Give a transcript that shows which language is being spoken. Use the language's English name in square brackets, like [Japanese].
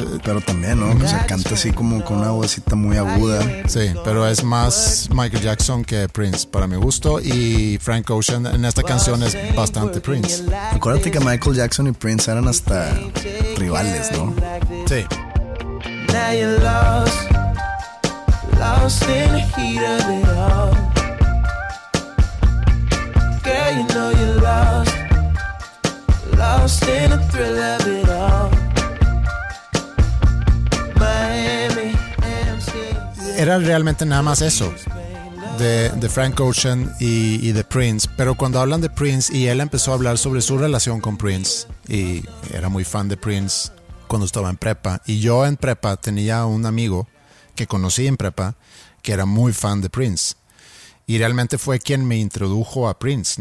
[Spanish] Pero también, ¿no? Mm-hmm. O sea, canta así como con una vocita muy aguda. Sí, pero es más Michael Jackson que Prince, para mi gusto. Y Frank Ocean en esta canción es bastante Prince. Acuérdate que Michael Jackson y Prince eran hasta rivales, ¿no? Sí. [English] Now you're lost in the heat of it all. Girl, you know you're lost in the thrill of it all. Miami, Amsterdam. [Spanish] Era realmente nada más eso. De Frank Ocean y de Prince. Pero cuando hablan de Prince y él empezó a hablar sobre su relación con Prince y era muy fan de Prince cuando estaba en prepa, y yo en prepa tenía un amigo que conocí en prepa que era muy fan de Prince y realmente fue quien me introdujo a Prince.